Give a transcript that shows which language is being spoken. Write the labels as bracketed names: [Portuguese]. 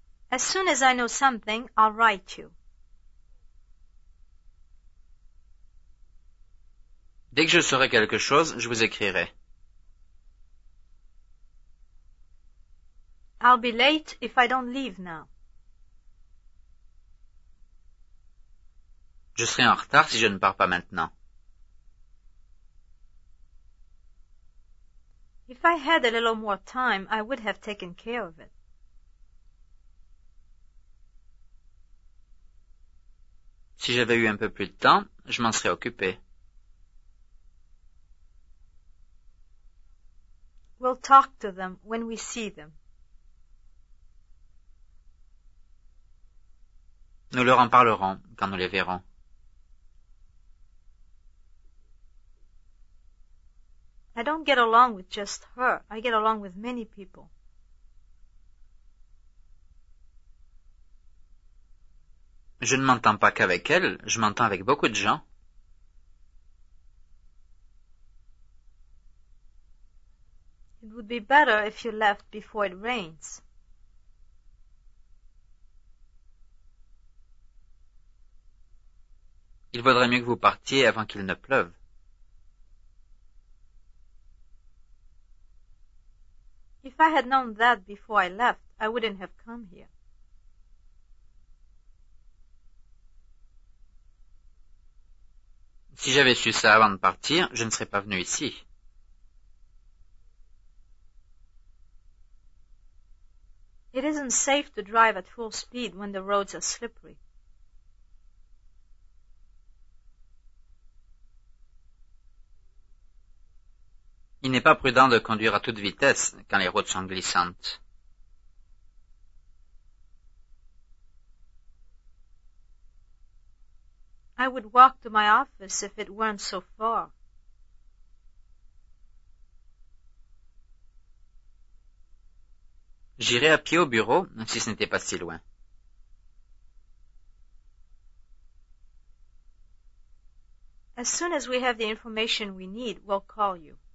[English] As soon as I know something, I'll write you. [French] Dès que je saurai quelque chose, je vous écrirai. [English] I'll be late if I don't leave now. [French] Je serai en retard si je ne pars pas maintenant. [English] If I had a little more time, I would have taken care of it. [French] Si j'avais eu un peu plus de temps, je m'en serais occupé. [English] We'll talk to them when we see them. [French] Nous leur en parlerons quand nous les verrons. [English] I don't get along with just her. I get along with many people. [French] Je ne m'entends pas qu'avec elle, je m'entends avec beaucoup de gens. [English] It would be better if you left before it rains. [French] Il vaudrait mieux que vous partiez avant qu'il ne pleuve. [English] If I had known that before I left, I wouldn't have come here. [French] Si j'avais su ça avant de partir, je ne serais pas venu ici. [English] It isn't safe to drive at full speed when the roads are slippery. [French] Il n'est pas prudent de conduire à toute vitesse quand les routes sont glissantes. [English] I would walk to my office if it weren't so far. [French] J'irais à pied au bureau si ce n'était pas si loin. [English] As soon as we have the information we need, we'll call you.